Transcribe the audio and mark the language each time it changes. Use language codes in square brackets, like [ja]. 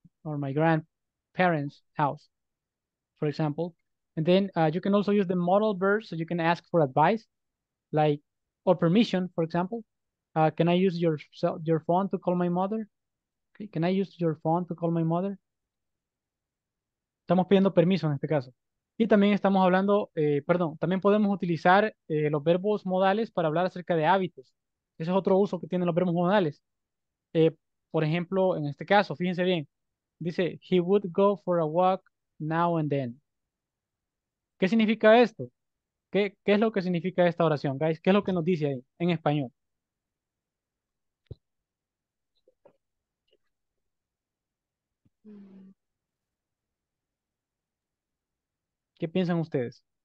[en] Or my grandparents' house, for example. And then you can also use the modal verb, so you can ask for advice, like, or permission, for example. Can I use your phone to call my mother? Okay. Can I use your phone to call my mother? [es] Estamos pidiendo permiso en este caso. Y también estamos hablando, también podemos utilizar los verbos modales para hablar acerca de hábitos. Ese es otro uso que tienen los verbos modales. Por ejemplo, en este caso, fíjense bien. Dice, [en] he would go for a walk now and then. [es] ¿Qué significa esto? ¿Qué es lo que significa esta oración, guys? ¿Qué es lo que nos dice ahí en español? ¿Qué piensan ustedes?